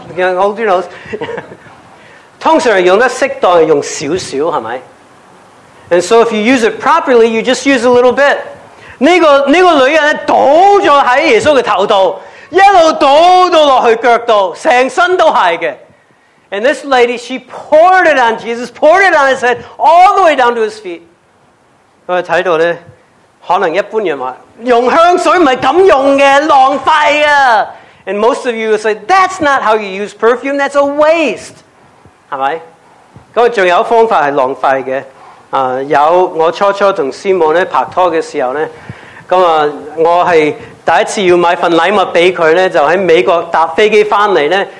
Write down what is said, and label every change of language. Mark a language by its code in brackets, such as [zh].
[en] Hold your nose. [yue] 通常用得適當用少少係咪 ？ [en] And so if you use it properly, you just use a little bit. [yue] 呢個女人倒咗喺耶穌嘅頭度，一路倒到落去腳度，成身都係嘅。 [en] And this lady, she poured it on Jesus, poured it on his head, all the way down to his feet. [yue] 我睇到咧，可能一般人话用香水唔系咁用嘅，浪费啊。 [en] And most of you will say, that's not how you use perfume, that's a waste. [yue] 系咪？咁仲有方法系浪费嘅。有我初初同师母咧拍拖嘅时候咧，咁啊，我系第一次要买份礼物俾佢咧，就喺美国搭飞机翻嚟咧。